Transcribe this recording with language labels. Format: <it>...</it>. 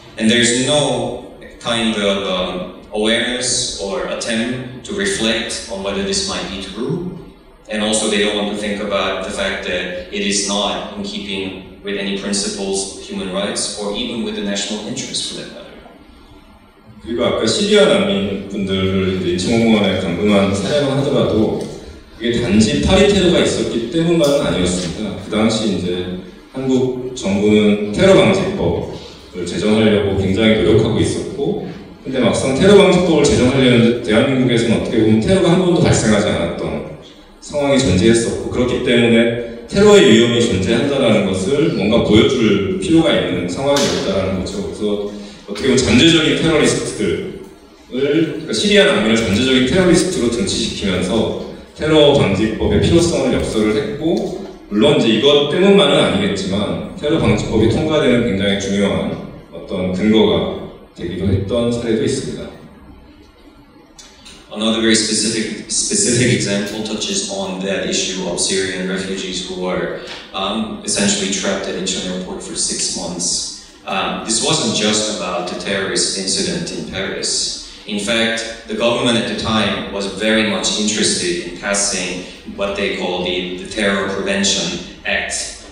<en>And there's no kind of awareness or attempt to reflect on whether this might be true. And also they don't want to think about the fact that it is not in keeping with any principles of human rights or even with the national interest for that matter.</en> <ko>그리고 아까 시리아 난민분들을 인천공항에 방문한 사례만 하더라도 그게 단지 파리 테러가 있었기 때문만은 아니었습니다. 그 당시 이제 한국 정부는 테러방지법을 제정하려고 굉장히 노력하고 있었고 근데 막상 테러방지법을 제정하려는 대한민국에서는 어떻게 보면 테러가 한 번도 발생하지 않았던 상황이 존재했었고 그렇기 때문에 테러의 위험이 존재한다는 것을 뭔가 보여줄 필요가 있는 상황이었다는 거죠. 그래서 어떻게 보면 잠재적인 테러리스트들을 그러니까 시리아 난민을 잠재적인 테러리스트로 등치시키면서 테러 방지법의 필요성을 엽설을 했고 물론 이제 이것 때문만은 아니겠지만 테러 방지법이 통과되는 굉장히 중요한 어떤 근거가 되기도 했던 사례도 있습니다.</ko> <en>Another very specific example touches on that issue of Syrian refugees who were essentially trapped at Incheon Airport for 6 months. This wasn't just about the terrorist incident in Paris. In fact, the government at the time was very much interested in passing what they call the Terror Prevention Act.</en>